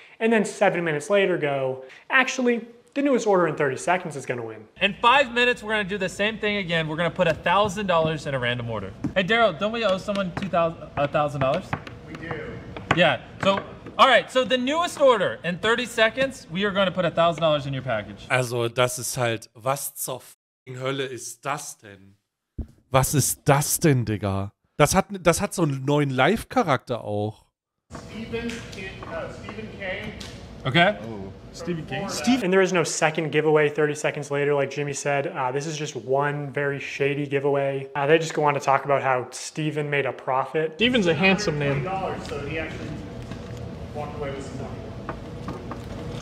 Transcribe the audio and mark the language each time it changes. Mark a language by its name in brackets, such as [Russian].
[English] And then 7 minutes later go, actually, the newest order in 30 seconds is gonna win. In 5 minutes, we're gonna do the same thing again. We're gonna put $1,000 in a random order. Hey, Daryl, don't we owe someone $1,000? We do. Yeah, so, all right, so the newest order in 30 seconds, we are gonna put $1,000 in your package. [German] Also, das ist halt, was zur f***ing Hölle ist das denn? Was ist das denn, Digga? Das hat so einen neuen Live-Charakter auch. [English] Steven Kane. Okay. Oh. Steve. And there is no second giveaway 30 seconds later, like Jimmy said. This is just one very shady giveaway. They just go on to talk about how Steven made a profit. Steven's a handsome name. So he actually walked away with some money.